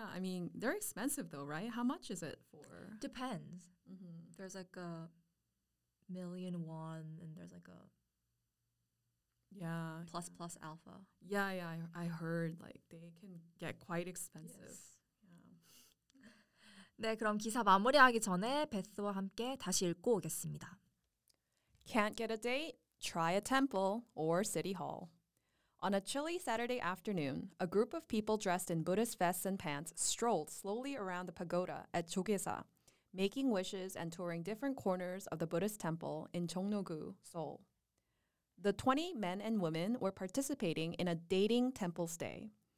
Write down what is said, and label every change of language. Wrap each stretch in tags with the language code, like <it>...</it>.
<en>I mean, they're expensive though, right? How much is it for? Depends. Mm-hmm. There's like 1,000,000 won, and there's like a Yeah. Plus alpha. Yeah, yeah. I heard like they can get quite expensive. Yes.</en> <ko>네, 그럼 기사 마무리하기 전에 베스와 함께 다시 읽고 오겠습니다.</ko> <en>Can't get a date? Try a temple or city hall. On a chilly Saturday afternoon, a group of people dressed in Buddhist vests and pants strolled slowly around the pagoda at Jogesa, making wishes and touring different corners of the Buddhist temple in Jongno-gu, Seoul. The 20 men and women were participating in a dating temple stay.</en>